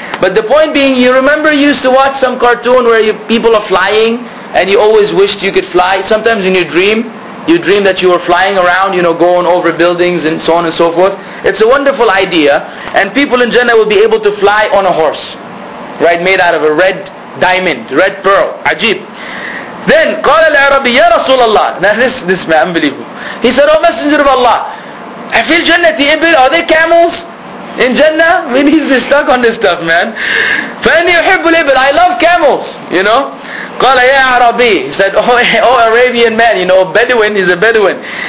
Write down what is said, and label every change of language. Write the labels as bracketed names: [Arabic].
[English] But the point being, you remember you used to watch some cartoon where people are flying and you always wished you could fly. Sometimes in your dream that you were flying around, you know, going over buildings and so on and so forth. It's a wonderful idea. And people in Jannah will be able to fly on a horse, right, made out of a red diamond, red pearl. Ajib. Then, [Arabic] قال العربي يا رسول الله. [English] Now this man, unbelievable. He said, oh Messenger of Allah, [Arabic] أفي الجنة, [English] are they camels? In Jannah, I mean, he's stuck on this stuff, man. [Arabic] فَإِنِّي يُحِبُّ الْإِبْلِ [English] I love camels, you know. [Arabic] قَالَ يَا عَرَبِي [English] He said, oh Arabian man, you know, Bedouin, he's a Bedouin.